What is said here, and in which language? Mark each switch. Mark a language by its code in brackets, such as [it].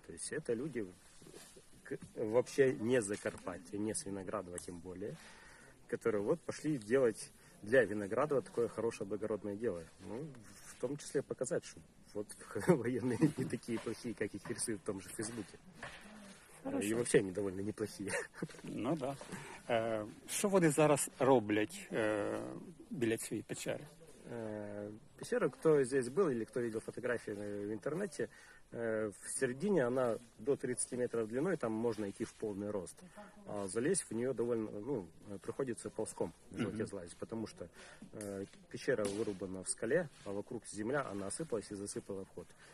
[ru] То есть это люди вообще не Закарпатье, не с Виноградова тем более, которые вот пошли делать для Виноградова такое хорошее благородное дело. Ну, в том числе показать, что вот военные не такие плохие, как их рисуют в том же Фейсбуке. Хорошо. И вообще они довольно неплохие. Ну да. Что они [uk] зараз роблять біля цієї печери? [ru] Пещера, кто здесь был или кто видел фотографии в интернете, в середине она до 30 метров длиной, там можно идти в полный рост. А залезть в нее довольно, приходится ползком в животе залазить, потому что пещера вырубана в скале, а вокруг земля, она осыпалась и засыпала вход.